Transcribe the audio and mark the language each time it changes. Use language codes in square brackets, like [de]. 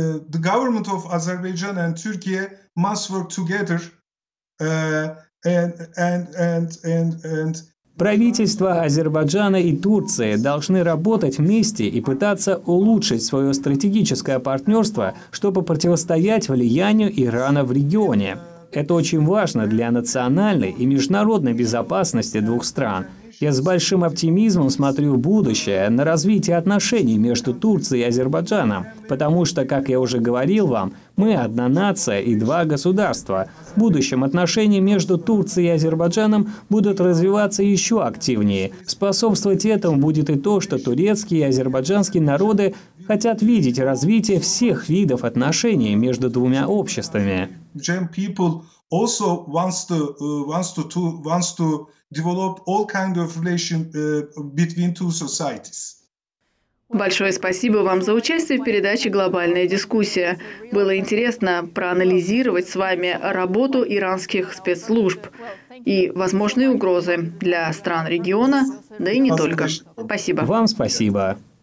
[en] The government of Azerbaijan and Turkey must work together and [ru] Правительства Азербайджана и Турции должны работать вместе и пытаться улучшить свое стратегическое партнерство, чтобы противостоять влиянию Ирана в регионе. Это очень важно для национальной и международной безопасности двух стран. Я с большим оптимизмом смотрю в будущее на развитие отношений между Турцией и Азербайджаном, потому что, как я уже говорил вам, мы одна нация и два государства. В будущем отношения между Турцией и Азербайджаном будут развиваться еще активнее. Способствовать этому будет и то, что турецкие и азербайджанские народы хотят видеть развитие всех видов отношений между двумя обществами. [en] Also wants to develop all kind of relation between two societies. [ru] Большое спасибо вам за участие в передаче «Глобальная дискуссия». Было интересно проанализировать с вами работу иранских спецслужб и возможные угрозы для стран региона, да и не только. Спасибо. Вам спасибо.